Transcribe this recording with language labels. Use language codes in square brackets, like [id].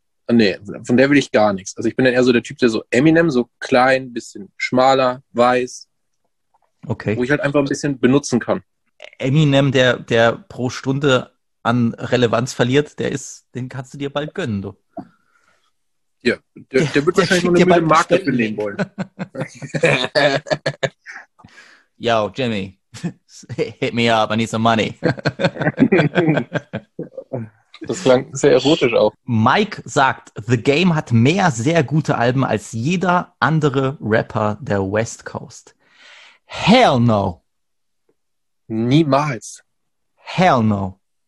[de] Nee, von der will ich gar nichts. Also ich bin dann eher so der Typ, der so Eminem, so klein, bisschen schmaler, weiß. Okay. Wo ich halt einfach ein bisschen benutzen kann. Eminem, der pro Stunde an Relevanz verliert, den kannst du dir bald gönnen, du. Ja, der wird wahrscheinlich nur eine Mühle Marke belegen wollen. [en] Yo, Jimmy, hit me up, I need some money. [de] Das klang sehr erotisch auch. Mike sagt, The Game hat mehr sehr gute Alben als jeder andere Rapper der West Coast. [en] Hell no. [de] Niemals. [en] Hell no.